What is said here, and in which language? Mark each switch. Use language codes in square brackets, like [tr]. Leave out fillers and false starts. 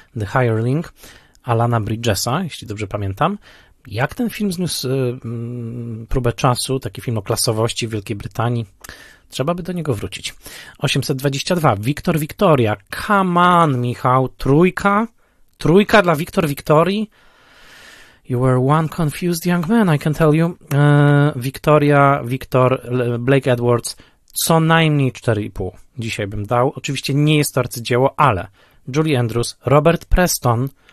[pl] The Hireling Alana Bridgesa, jeśli dobrze pamiętam. Jak ten film zniósł próbę czasu, taki film o klasowości w Wielkiej Brytanii? Trzeba by do niego wrócić. 822. Wiktor Wiktoria. [en] Come on, Michał. [pl] Trójka? Trójka dla Wiktor Wiktorii? [en] You were one confused young man, I can tell you. [pl] Wiktoria, Wiktor, Blake Edwards. Co najmniej 4,5 dzisiaj bym dał. Oczywiście nie jest to arcydzieło, ale Julie Andrews, Robert Preston.